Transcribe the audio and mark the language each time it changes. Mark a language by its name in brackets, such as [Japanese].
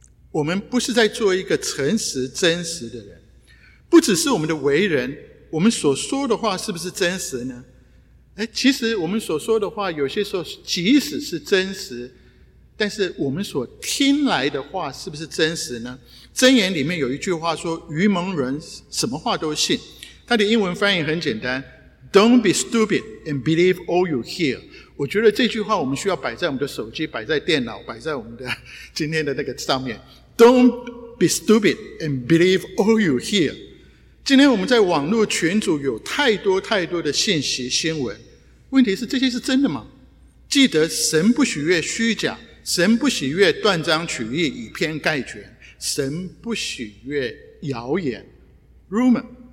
[Chinese] 我们不是在做一个诚实真实的人。不只是我们的为人，我们所说的话是不是真实呢？其实我们所说的话有些时候即使是真实，但是我们所听来的话是不是真实呢？箴言里面有一句话说，愚蒙人什么话都信。它的英文翻译很简单， [English] Don't be stupid and believe all you hear。 [Chinese] 我觉得这句话我们需要摆在我们的手机，摆在电脑，摆在我们的今天的那个上面。 [English] Don't be stupid and believe all you hear。 [Chinese] 今天我们在网络群组有太多太多的信息新闻，问题是这些是真的吗？记得神不喜悦虚假，神不喜悦断章取义、以偏概全，神不喜悦谣言 rumor。